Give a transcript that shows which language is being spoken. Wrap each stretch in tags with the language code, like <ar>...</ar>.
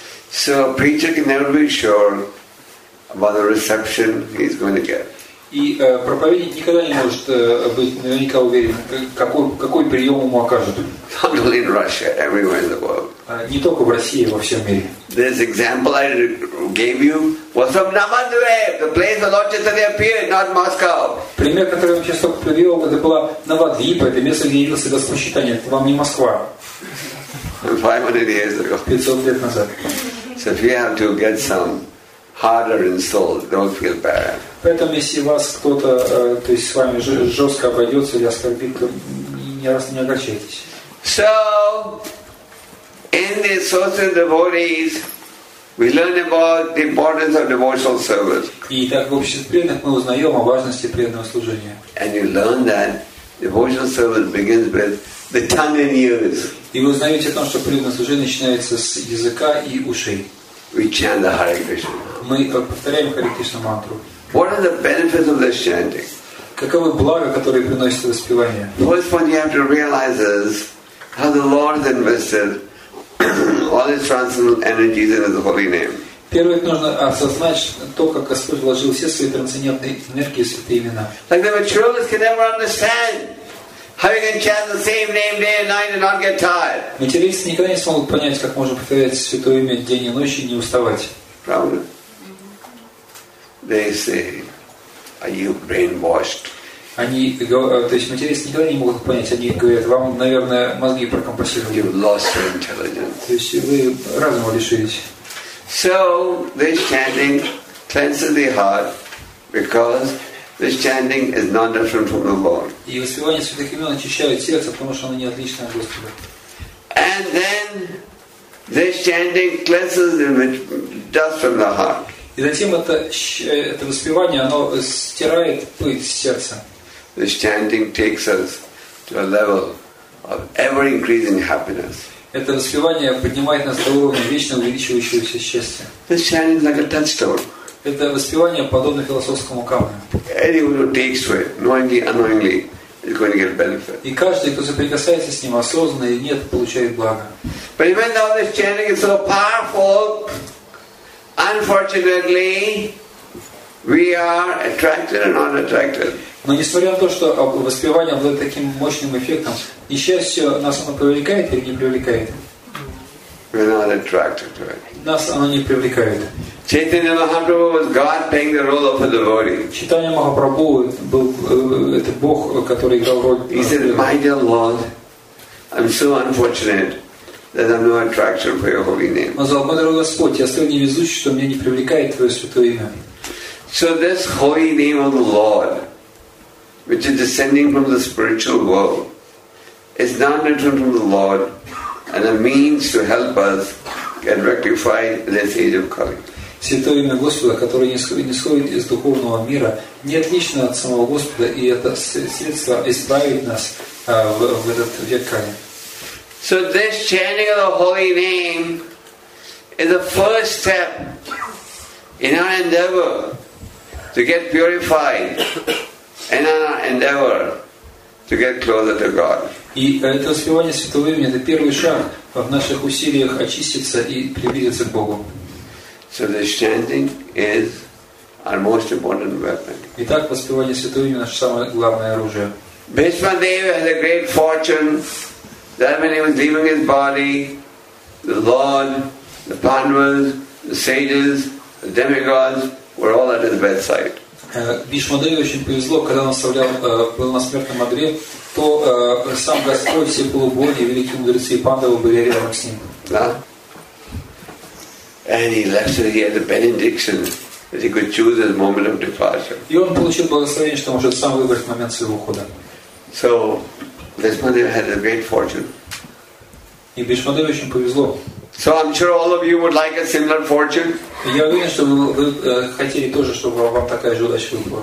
<en>So a preacher can never be sure about the reception he's going to get.</en> <ru>И проповедник никогда не может быть наверняка уверен, какой прием ему окажут.</ru> <en>In Russia, everywhere in the world.</en> <ru>Не только в России, во всем мире.</ru> <en>This example I gave you was from Novodvor, the place the Lord Chaitanya appeared, not Moscow.</en> <ru>Пример, который я вам сейчас только привел, это была Новодвипа, это место, где явился Господь Чайтанья. Это вам не Москва.</ru> <en>500 years ago.</en> <ru>500 лет назад.</ru> <en>So if you have to get some harder insult, don't feel bad.</en> <ru>Поэтому если вас кто-то, то есть с вами жестко обойдется или оскорбит, то не раз не огорчайтесь.</ru> <en>So, in the associated devotees, we learn about the importance of devotional service.</en> <ru>И так в обществе преданных мы узнаем о важности преданного служения.</ru> <en>And you learn that devotional service begins with the tongue and ears.</en> <ru>И вы узнаете о том, что преданное служение начинается с языка и ушей.</ru> <en>We chant the Hare Krishna.</en> <ru>Мы повторяем Харе Кришна мантру.</ru> <en>What are the benefits of this chanting?</en> <ru>Каковы блага, которые приносит воспевание?</ru> <en>First one you have to realize is how the Lord invested all his transcendental energies in his holy name.</en> <ru>Первое, нужно осознать то, как Господь вложил все свои трансцендентные энергии в святые имена.</ru> <en>Like the materialists can never understand how you can chant the same name day and night and not get tired.</en> <ru>Материалисты никогда не смогут понять, как можно повторять святое имя день и ночь и не уставать. Правда?</ru> <en>They say, "Are you brainwashed?"</en> <ru>Они, то есть материалисты никогда не могут понять. Они говорят, вам, наверное, мозги прокомпрессировали.</ru> <en>You've lost your intelligence.</en> <ru>То есть вы разума лишились.</ru> <en>So this chanting cleanses the heart because this chanting is not different from the Lord.</en> <ru>И воспевание святых имен очищает сердце, потому что оно не отлично от Господа.</ru> <en>And then this chanting cleanses the dust from the heart.</en> <ru>И затем это воспевание, оно стирает пыль с сердца.</ru> <en>This chanting takes us to a level of ever-increasing happiness.</en> <ru>Это воспевание поднимает нас до уровня вечно увеличивающегося счастья.</ru> <en>This chanting is like a touchstone.</en> <ru>Это воспевание подобно философскому камню.</ru> <en>Anyone who takes to it, knowingly, unknowingly, is going to get benefit.</en> <ru>И каждый, кто соприкасается с ним осознанно или нет, получает благо.</ru> <en>But even though this chanting is so powerful, unfortunately, we are attracted and not attracted.</en> <ru>Но несмотря на то, что воспевание обладает таким мощным эффектом, несчастье нас оно привлекает или не привлекает?</ru> <en>We're not attracted to it.</en> <ru>Нас оно не привлекает.</ru> <en>Chaitanya Mahaprabhu was God playing the role of a devotee.</en> <ru>Chaitanya Mahaprabhu был это Бог, который играл роль.</ru> <en>He said, "My dear Lord, I'm so unfortunate." That I'm no attraction for your holy name.</en> <ru>Но за мой дорогой Господь, я столь невезучий, что меня не привлекает твое святое имя.</ru> <en>So this holy name of the Lord, which is descending from the spiritual world, is not different from the Lord and a means to help us get rectified in this age of Kali.</en> <ru>Святое имя Господа, которое нисходит из духовного мира, не отлично от самого Господа, и это средство избавит нас в этот век Кали.</ru> <en>So this chanting of the holy name is the first step in our endeavor to get purified and our endeavor to get closer to God.</en> <ru>И это воспевание святого имени — это первый шаг в наших усилиях очиститься и приблизиться к Богу.</ru> <en>So this chanting is our most important weapon.</en> <ru>Итак, воспевание святого имени — наше самое главное оружие.</ru> <en>Bhishma Deva has a great fortune. That when he was leaving his body, the Lord, the Pandavas, the sages, the demigods were all at his bedside.</en> <ru>Бишмадеве очень повезло, когда он оставлял был на смертном одре, то сам Господь, все полубоги, великие мудрецы и Пандавы были рядом с ним. Да.</ru> <en>And he left so he had the benediction that he could choose his moment of departure.</en> <ru>И он получил благословение, что может сам выбрать момент своего ухода.</ru> <en>So. Bhishmadeva had a great fortune.</en> <ru>И Бишмадеве очень повезло.</ru> <en>So I'm sure all of you would like a similar fortune.</en> <ru>Я уверен, что вы хотели тоже, чтобы вам такая же удача выпала.</ru>